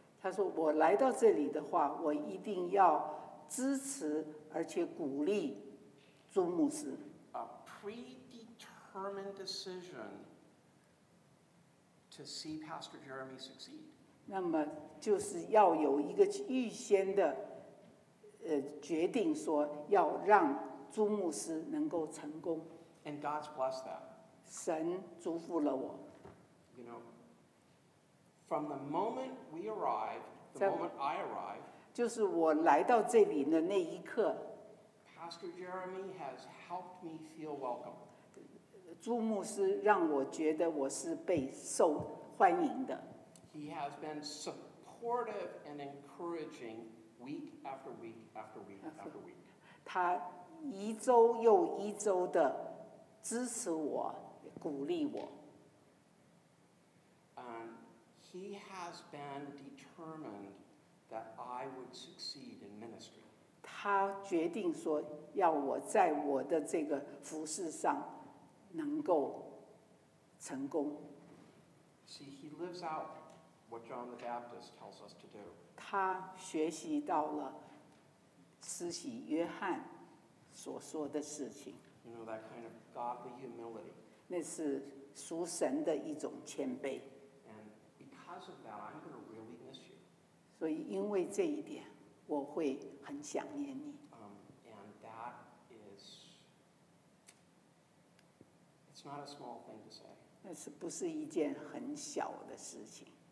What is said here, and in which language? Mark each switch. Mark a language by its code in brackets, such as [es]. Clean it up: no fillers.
[zh] 他说我来到这里的话，我一定要支持而且鼓励朱牧师。 [en] A predetermined decision to see Pastor Jeremy succeed. [zh] 那么就是要有一个预先的。决定说要让朱牧师能够成功。 [en] And God's blessed that. [zh] 神祝福了我。 [en] You know, from the moment we arrived, the moment I arrived, [zh] 就是我来到这里的那一刻， [en] Pastor Jeremy has helped me feel welcome. [zh] 朱牧师让我觉得我是被受欢迎的。 [en] He has been supportive and encouraging. Week after week after week after week. [zh] 他一周又一周的支持我，鼓励我。 [en] And he has been determined that I would succeed in ministry. [zh] 他决定说要我在我的这个服事上能够成功。 [en] See, he lives out what John the Baptist tells us to do. [zh] 他学习到了施洗约翰所说的事情。 [en] You know, that kind of godly humility. [zh] 那是属神的一种谦卑。 [en] And because of that, I'm going to really miss you. [zh] 所以因为这一点，我会很想念你。 [en] And that is, it's not a small thing to say. [zh] 那是不是一件很小的事情。